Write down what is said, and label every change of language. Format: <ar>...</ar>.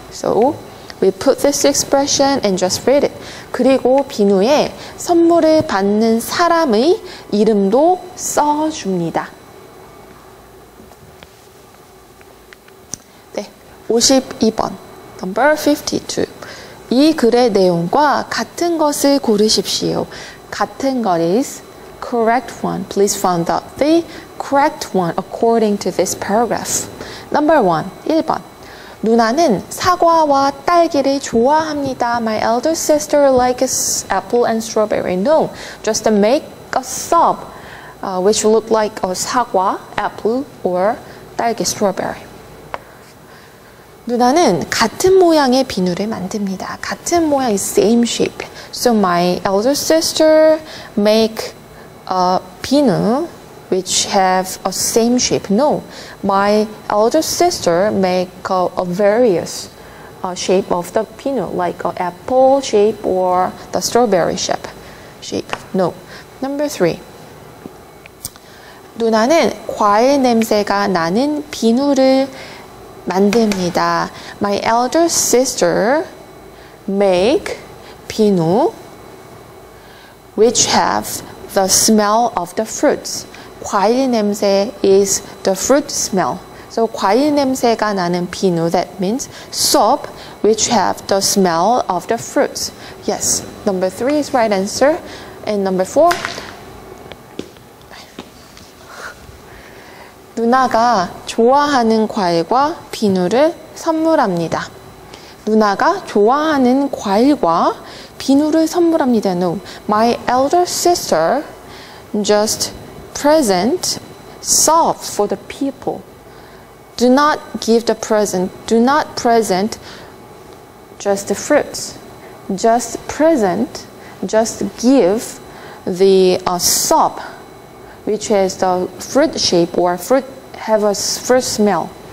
<en>So we put this expression and just read it.</en> <ko>그리고 비누에 선물을 받는 사람의 이름도 써줍니다. 52번,</ko> <en>number 52.</en> <ko>이 글의 내용과 같은 것을 고르십시오. 같은 것</ko> <en>is correct one. Please find out the correct one according to this paragraph. Number 1,</en> <ko>1번. 누나는 사과와 딸기를 좋아합니다.</ko> <en>My elder sister likes apple and strawberry. No, just make a soap which look like a 사과, apple, or 딸기, strawberry.</en> <ko>누나는 같은 모양의 비누를 만듭니다. 같은 모양</ko> <en>is same shape. So my elder sister make a 비누 which have a same shape. No, my elder sister make a various shape of the 비누 like an apple shape or the strawberry shape. No. Number 3.</en> <ko>누나는 과일 냄새가 나는 비누를 만듭니다.</ko> <en>My elder sister make 비누 which have the smell of the fruits.</en> <ko>과일 냄새</ko> <en>is the fruit smell. So</en> <ko>과일 냄새가 나는 비누,</ko> <en>that means soap which have the smell of the fruits. Yes, number 3 is right answer. And number 4.</en> <ko>누나가 좋아하는 과일과 비누를 선물합니다. 누나가 좋아하는 과일과 비누를 선물합니다.</ko> <en>No, my elder sister just present soap for the people. Do not give the present. Do not present just the fruits. Just present, just give the soap, which has the fruit shape or fruit, have a fruit smell.</en>